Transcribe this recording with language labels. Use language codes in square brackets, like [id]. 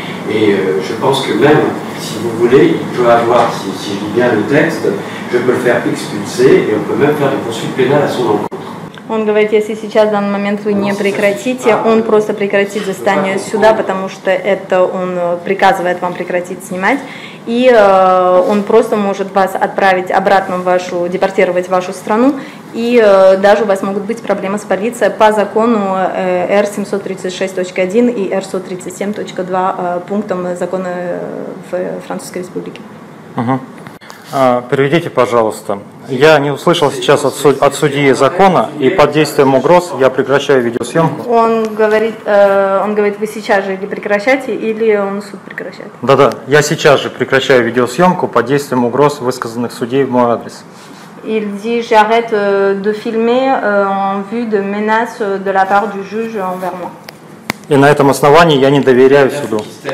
[fr] Et je pense que même, si vous voulez, il peut avoir, si je lis bien le texte, je peux le faire expulser et on peut même faire des poursuites pénales à son encontre. [ru] Он говорит, если сейчас, в данный момент, вы не прекратите, он просто прекратит заседание суда, потому что это он приказывает вам прекратить снимать. И он просто может вас отправить обратно в вашу, депортировать в вашу страну. И даже у вас могут быть проблемы с полицией по закону R736.1 и R137.2 пунктам закона в Французской Республике. Переведите, пожалуйста, Я не услышал сейчас от судьи закона, и под действием угроз я прекращаю видеосъемку. Он говорит, вы сейчас же или прекращаете, или он суд прекращает. Да-да, я сейчас же прекращаю видеосъемку под действием угроз, высказанных судей в мой адрес. [fr] Il dit j'arrête de filmer en vue de menaces de la part du juge envers moi. [ru] И на этом основании я не доверяю суду.